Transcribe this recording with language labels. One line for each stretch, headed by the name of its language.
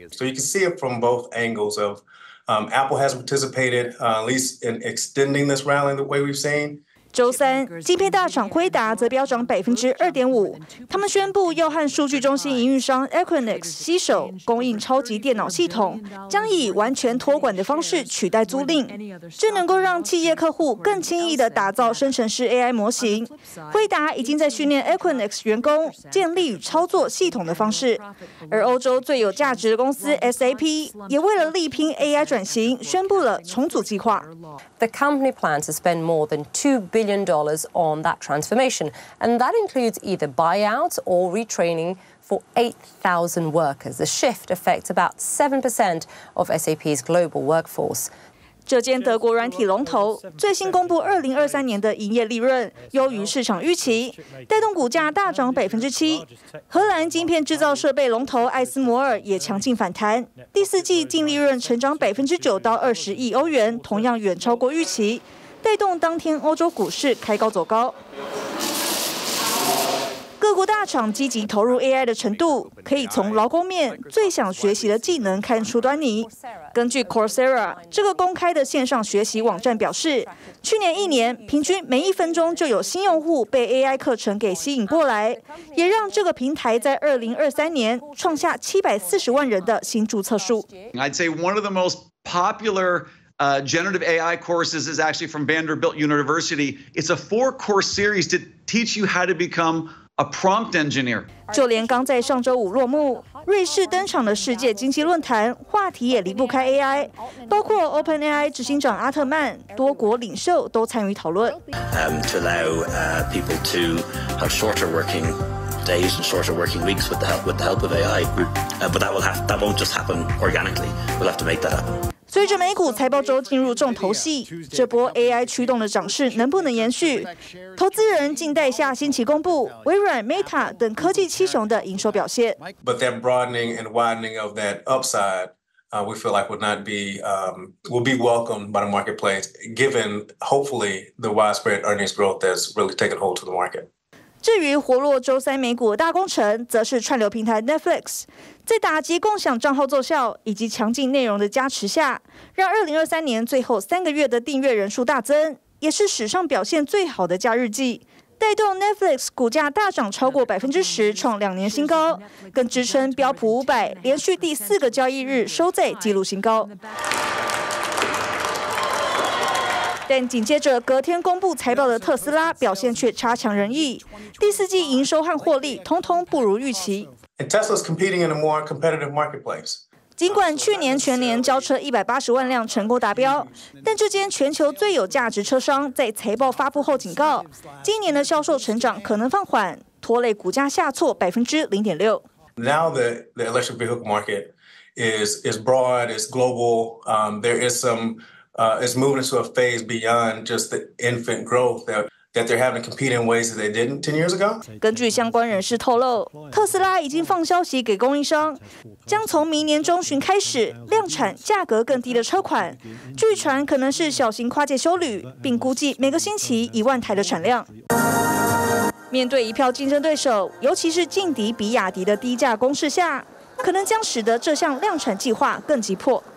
English: So you can see it from both angles of Apple has participated at least in extending this rally the way we've seen.
Chinese: 周三，晶片大厂辉达则飙涨2.5%。他们宣布要和数据中心营运商 Equinix 携手供应超级电脑系统，将以完全托管的方式取代租赁。这能够让企业客户更轻易地打造生成式 AI 模型。辉达已经在训练 Equinix 员工建立与操作系统的方式。而欧洲最有价值的公司 SAP 也为了力拼 AI 转型，宣布了重组计划。
English: The company plans to spend more than $2 billion on that transformation, and that includes either buyouts or retraining for 8,000 workers. The shift affects about 7% of SAP's global workforce.
Chinese: 这间德国软体龙头最新公布2023年的营业利润优于市场预期，带动股价大涨7%。荷兰晶片制造设备龙头艾斯摩尔也强劲反弹，第四季净利润成长9%到20亿欧元，同样远超过预期，带动当天欧洲股市开高走高。各国大厂积极投入 AI 的程度，可以从劳工面最想学习的技能看出端倪。根据 Coursera 这个公开的线上学习网站表示，去年一年平均每1分钟就有新用户被 AI 课程给吸引过来，也让这个平台在2023年创下740万人的新注册数。
English: I'd say one of the most popular generative AI courses is actually from Vanderbilt University. It's a 4-course series to teach you how to becomea prompt engineer.
Chinese: 就连刚在上周五落幕，瑞士登场的世界经济论坛话题也离不开 AI， 包括 OpenAI 执行长阿特曼，多国领袖都参与讨论。
English: To allow people to have shorter working days and shorter working weeks with the help of AI, but that won't just happen organically. We'll have to make that happen.
Chinese: 随着美股财报周进入重头戏，这波 AI 驱动的涨势能不能延续？投资人静待下星期公布微软、Meta 等科技七雄的营收表现。
English: But that broadening and widening of that upside, we feel like would not be will be welcomed by the marketplace, given hopefully the widespread earnings growth that's really taken hold to the market.
Chinese: 至于活络周三美股的大功臣，则是串流平台 Netflix， 在打击共享账号奏效以及强劲内容的加持下，让2023年最后三个月的订阅人数大增，也是史上表现最好的假日季，带动 Netflix 股价大涨超过 10%， 创两年新高，更支撑标普500连续第四个交易日收在纪录新高。但紧接着隔天公布财报的特斯拉表现却差强人意，第四季营收和获利通通不如预期。
English: Tesla's competing in a more competitive marketplace.
Chinese: 尽管去年全年交车180万辆成功达标，但这间全球最有价值车商在财报发布后警告，今年的销售成长可能放缓，拖累股价下挫0.6%。
English: Now the electric vehicle market is broad, it's global. There is some. It's moving into a phase beyond just the infant growth that they're having to compete in ways that they didn't 10 years ago.
Chinese: 根据相关人士透露，特斯拉已经放消息给供应商，将从明年中旬开始量产价格更低的车款，据传可能是小型跨界休旅，并估计每个星期10,000台的产量。面对一票竞争对手，尤其是劲敌比亚迪的低价攻势下，可能将使得这项量产计划更急迫。